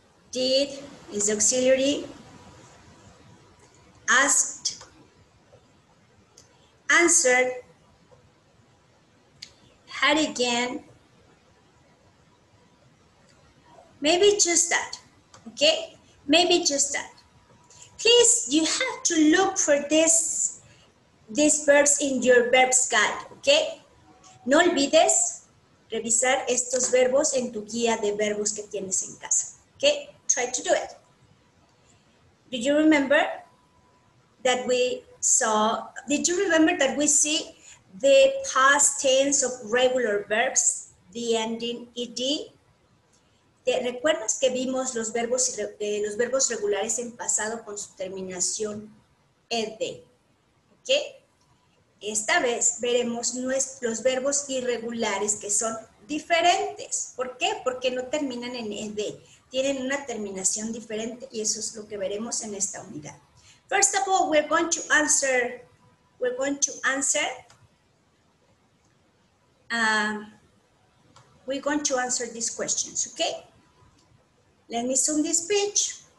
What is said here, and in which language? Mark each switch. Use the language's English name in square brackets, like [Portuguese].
[English] did is auxiliary, asked, answered, had again, maybe just that, okay? Maybe just that. Please, you have to look for these verbs in your verbs guide, okay? [Spanish] No olvides revisar estos verbos en tu guía de verbos que tienes en casa, okay? [English] Try to do it. Did you remember that we saw, did you remember that we see the past tense of regular verbs, the ending ed? [Spanish] ¿Te recuerdas que vimos los verbos regulares en pasado con su terminación ed? ¿Ok? Esta vez veremos los verbos irregulares que son diferentes. ¿Por qué? Porque no terminan en ed. Tienen una terminación diferente y eso es lo que veremos en esta unidad. [English] First of all, we're going to answer these questions, okay? Let me zoom this page.